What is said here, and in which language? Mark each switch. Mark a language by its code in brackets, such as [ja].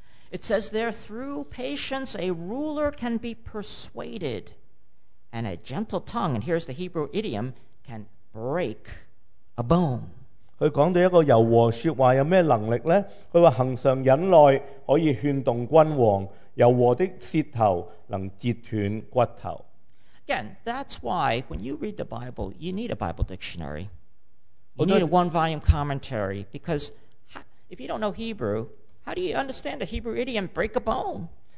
[en] It says there, through patience a ruler can be persuaded, and a gentle tongue, and here's the Hebrew idiom, can break a bone. [zh] 他讲到一个柔和说话有什么能力呢?他说恒常忍耐可以劝动君王,柔和的舌头能截断骨头。 [en] Again, that's why when you read the Bible, you need a Bible dictionary. You need a one-volume commentary, because if you don't know Hebrew, how do you understand the Hebrew idiom, break a bone?